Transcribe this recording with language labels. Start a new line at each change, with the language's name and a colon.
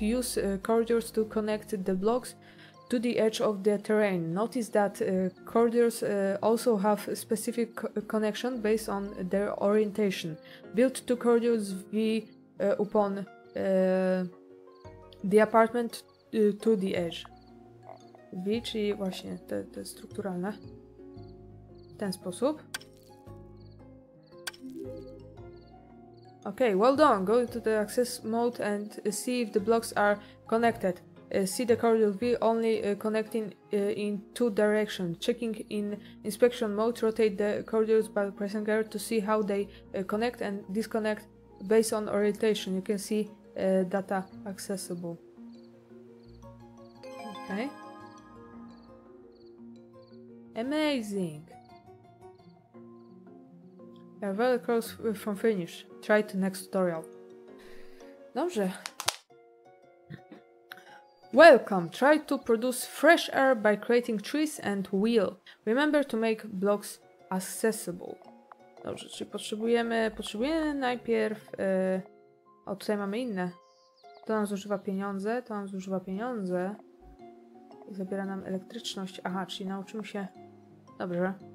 English: Use corridors to connect the blocks to the edge of the terrain. Notice that corridors also have a specific connection based on their orientation. Build two corridors upon the apartment to the edge.
Polish: V, czyli właśnie te strukturalne. W ten sposób.
English: Okay, well done. Go to the access mode and see if the blocks are connected. See the corridor V only connecting in two directions. Checking in inspection mode, rotate the corridors by pressing R to see how they connect and disconnect based on orientation. You can see data accessible. Okay. Amazing. You're very close from finish. Try to next tutorial. Dobrze. Welcome. Try to produce fresh air by creating trees and wheel. Remember to make blocks accessible.
Polish: Dobrze, czyli potrzebujemy najpierw o, tutaj mamy inne. To nam zużywa pieniądze, to nam zużywa pieniądze. I zabiera nam elektryczność. Aha, czyli nauczymy się. Dobrze.